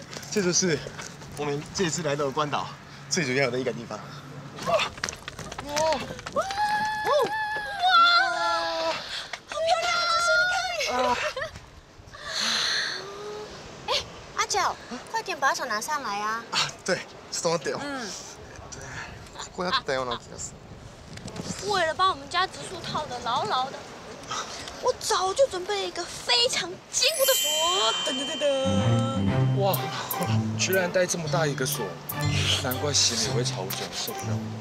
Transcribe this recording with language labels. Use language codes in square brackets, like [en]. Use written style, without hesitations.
[zh] 这就是我们这次来到的关岛最主要的一个地方。哇！哇！哇！好漂亮啊！你看。哎，阿角，快点把手拿上来啊！啊，对，稍等点。嗯。 [ja] ここやったような気がする [zh] 为了把我们家直树套得牢牢的，我早就准备了一个非常坚固的锁。噔噔噔噔！哇，居然带这么大一个锁，难怪行李会超重，受不了。